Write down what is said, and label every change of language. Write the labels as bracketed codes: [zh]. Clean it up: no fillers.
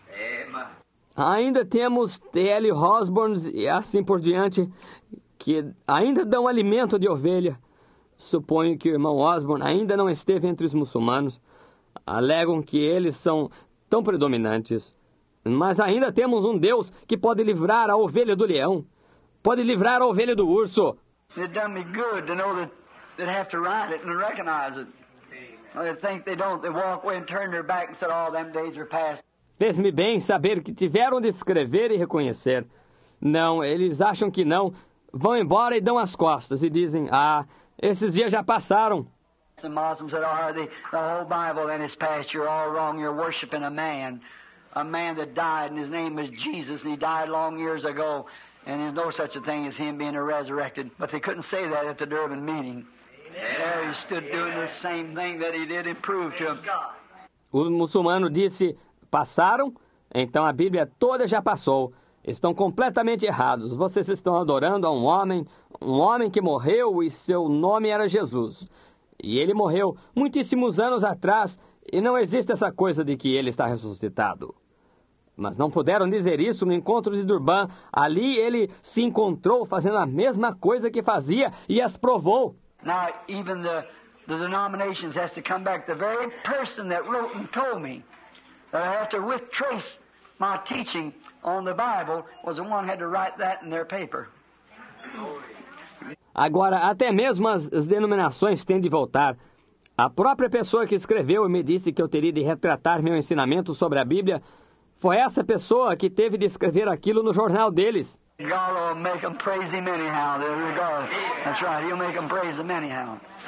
[pt] Amen. Ainda temos T.L. Osborne e assim por diante, que ainda dão alimento de ovelha. Suponho que o irmão Osborne ainda não esteve entre os muçulmanos. Alegam que eles são tão predominantes. Mas ainda temos um Deus que pode livrar a ovelha do leão. Pode livrar a ovelha do urso. [en] It done me good to know that they'd have to ride it and recognize it. They think they don't. They walk away and turn their back and said, all them days are past. [pt] Fez-me bem saber que tiveram de escrever e reconhecer. Não, eles acham que não. Vão embora e dão as costas e dizem, ah, esses dias já passaram. [en] The Muslims said, "Oh, the whole Bible and its past, you're all wrong. You're worshiping a man that died, and his name is Jesus, and he died long years ago, and there's no such a thing as him being resurrected." But they couldn't say that at the Durban meeting. There he stood doing the same thing that he did and proved to him. [pt] O muçulmano disse, "Passaram? Então a Bíblia toda já passou. Estão completamente errados. Vocês estão adorando a um homem que morreu e seu nome era Jesus. E ele morreu muitíssimos anos atrás e não existe essa coisa de que ele está ressuscitado." Mas não puderam dizer isso no encontro de Durban. Ali ele se encontrou fazendo a mesma coisa que fazia e as provou. [en] Now, even the denominations has to come back. The very person that wrote and told me that I have to retrace my teaching on the Bible was the one who had to write that in their paper. [pt] Agora, até mesmo as denominações têm de voltar. A própria pessoa que escreveu e me disse que eu teria de retratar meu ensinamento sobre a Bíblia foi essa pessoa que teve de escrever aquilo no jornal deles. [en] God will make them praise him anyhow. That's right, he'll make them praise him anyhow.